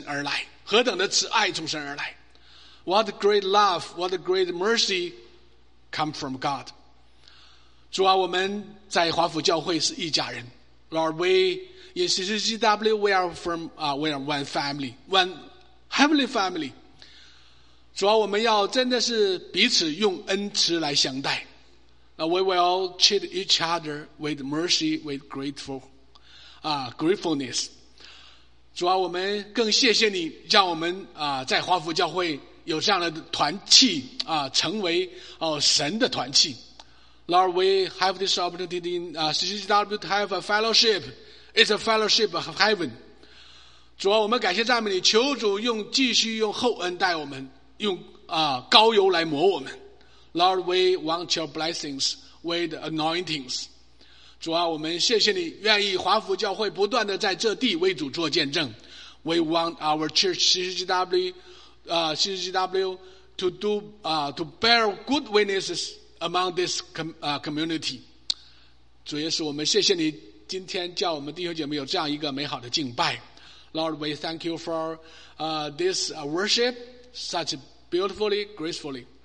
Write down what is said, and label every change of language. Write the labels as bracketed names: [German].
[Chinese] 主啊，我们感谢赞美你，真是何等的恩典从神而来，何等的慈爱从神而来。 [English] What great love, what great mercy come from God. [Chinese] 主啊，我们在华府教会是一家人。 [English] Lord, we in CCCW we are from we are one family, one heavenly family. [Chinese] 主啊，我们要真的是彼此用恩慈来相待。 [English] We will treat each other with mercy, with gratefulness. [Chinese] 主啊，我们更谢谢你，让我们在华府教会有这样的团契，成为神的团契。 [English] Lord, we have this opportunity in CCW to have a fellowship. It's a fellowship of heaven. [Chinese] 主啊，我们感谢赞美你，求主用继续用厚恩待我们，用膏油来抹我们。 [English] Lord, we want your blessings with anointings. [Chinese] 主啊，我们谢谢你，愿意华府教会不断的在这地为主做见证。 [English] We want our church CCW to do to bear good witnesses among this community. [Chinese] 主耶稣，我们谢谢你今天叫我们弟兄姐妹有这样一个美好的敬拜。 [English] Lord, we thank you for this worship such beautifully, gracefully.